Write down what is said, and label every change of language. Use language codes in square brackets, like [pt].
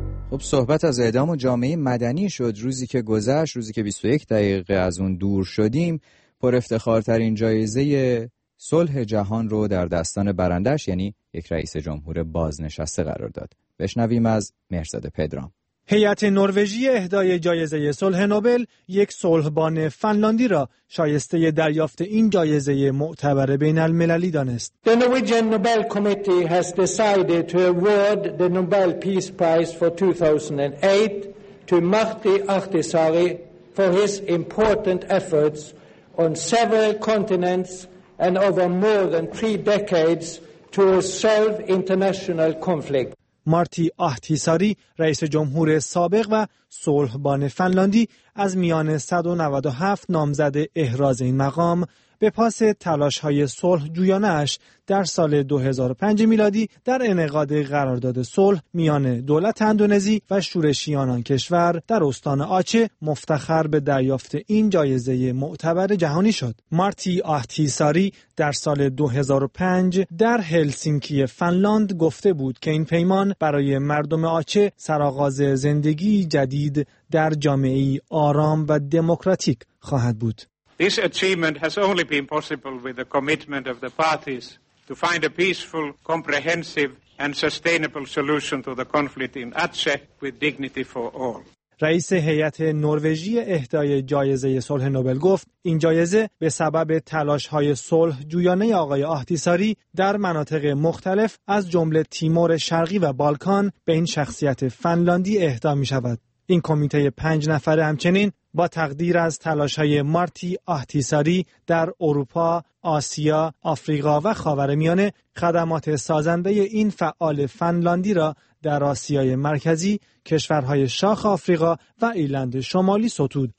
[fa] خب صحبت از اعدام و جامعه مدنی شد. روزی که گذشت، روزی که 21 دقیقه از اون دور شدیم، پر افتخارترین جایزه صلح جهان رو در دستان برندش یعنی یک رئیس جمهور بازنشسته قرار داد. بشنویم از مهرزاد پدرام. هیئت نروژی اهدای جایزه صلح نوبل یک صلحبان فنلاندی را شایسته دریافت این جایزه معتبر بین المللی دانست. [en] The Norwegian Nobel Committee has decided to award the Nobel Peace Prize for 2008 to Mahdi Ahtisaari for his important efforts on several continents and over more than 3 decades to solve international conflict. [fa] مارتی آهتیساری رئیس جمهور سابق و صلحبان فنلاندی از میان 197 نامزد احراز این مقام به پاس تلاش‌های صلح جویانش در سال 2005 میلادی در انعقاد قرارداد صلح میان دولت اندونزی و شورشیان آن کشور در استان آچه مفتخر به دریافت این جایزه معتبر جهانی شد. مارتی آهتیساری در سال 2005 در هلسینکی فنلاند گفته بود که این پیمان برای مردم آچه سرآغاز زندگی جدید در جامعه‌ای آرام و دموکراتیک خواهد بود. [en] This achievement has only been possible with the commitment of the parties to find a peaceful, comprehensive and sustainable solution to the conflict in Aceh with dignity for all. [fa] رئیس هیئت نروژی اهدای جایزه صلح نوبل گفت این جایزه به سبب تلاش‌های صلح جویانه آقای آهتیساری در مناطق مختلف از جمله تیمور شرقی و بالکان به این شخصیت فنلاندی اهدا می‌شود. این کمیته 5 نفره همچنین با تقدیر از تلاش‌های مارتی آهتیساری در اروپا، آسیا، آفریقا و خاورمیانه خدمات سازنده این فعال فنلاندی را در آسیای مرکزی، کشورهای شاخ آفریقا و ایرلند شمالی ستود.